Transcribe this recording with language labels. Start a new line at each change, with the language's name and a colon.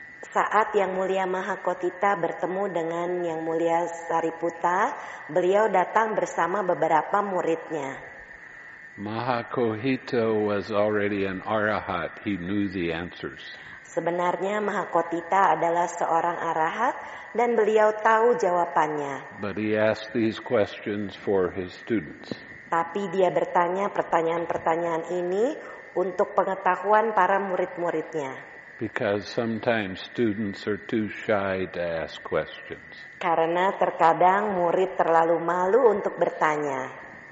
Indonesian: Saat Yang Mulia Mahakohita bertemu dengan Yang Mulia Sariputta, beliau datang bersama beberapa muridnya.
English: Mahakohita was already an arahat. He knew the answers.
Indonesian: Sebenarnya Mahakohita adalah seorang arahat dan beliau tahu jawabannya.
English: But he asked these questions for his students.
Indonesian: Tapi dia bertanya pertanyaan-pertanyaan ini untuk pengetahuan para murid-muridnya.
English: Because sometimes students are too shy to ask questions.
Indonesian: Karena terkadang murid terlalu malu untuk bertanya.